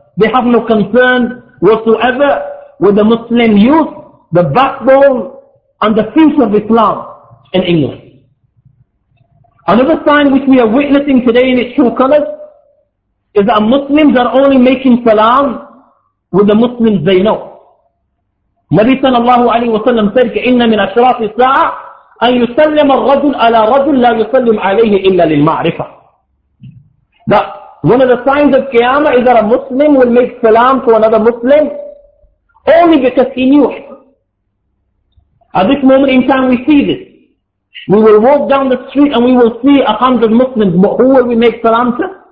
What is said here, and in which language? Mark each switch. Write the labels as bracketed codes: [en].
[en] They have no concern whatsoever with the Muslim youth, the backbone and the future of Islam in England. Another sign which we are witnessing today in its true colors is that Muslims are only making salam with the Muslims they know. Nabi sallallahu alayhi wa sallam said, [ar] إِنَّ مِنْ أَشْرَاطِ السَّاعَةِ أَنْ يُسَلِّمَ الرَّجُلْ عَلَى رَجُلْ لَا يُسَلِّمْ عَلَيْهِ إِلَّا لِلْمَعْرِفَةِ. [en] That one of the signs of Qiyamah is that a Muslim will make salam to another Muslim only because he knew him. At this moment in time we see this. We will walk down the street and we will see 100 Muslims, but who will we make salam to?